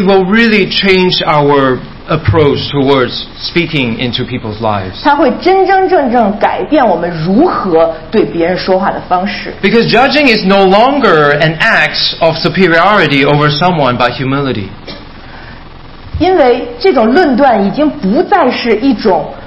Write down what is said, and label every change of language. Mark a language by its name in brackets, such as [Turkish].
[English] It will really change our approach towards speaking into people's lives. [Chinese] 它会真真正正改变我们如何对别人说话的方式。 [English] Because judging is no longer an act of superiority over someone but humility. [Chinese] 因为这种论断已经不再是一种